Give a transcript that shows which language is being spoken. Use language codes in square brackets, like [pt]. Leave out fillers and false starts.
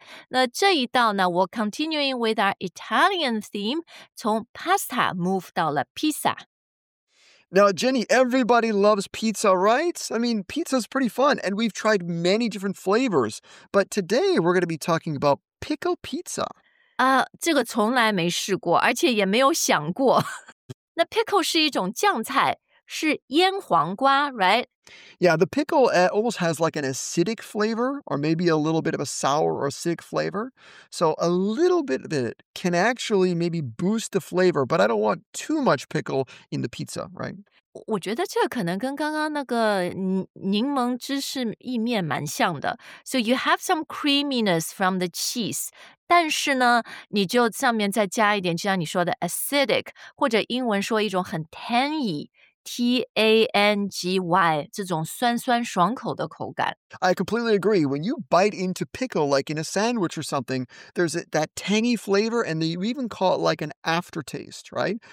[zh] 那这一道呢，我 [en] continuing with our Italian theme, [zh] 从 pasta move 到了 pizza. [en] Now, Jenny, everybody loves pizza, right? I mean, pizza's pretty fun, and we've tried many different flavors. But today, we're going to be talking about pickle pizza. [zh] 这个从来没试过，而且也没有想过。那 pickle 是一种酱菜，是腌黄瓜 right? [en] Yeah, the pickle almost has like an acidic flavor, or maybe a little bit of a sour or acidic flavor. So a little bit of it can actually maybe boost the flavor, but I don't want too much pickle in the pizza, right? [zh] 我觉得这可能跟刚刚那个柠檬芝士意面蛮像的。 [en] So you have some creaminess from the cheese. [zh] 但是呢你就上面再加一点就像你说的 acidic, 或者英文说一种很 tangy, T-A-N-G-Y, 这种酸酸爽口的口感。 [en] I completely agree. When you bite into pickle, like in a sandwich or something, there's that tangy flavor, and you even call it like an aftertaste, right?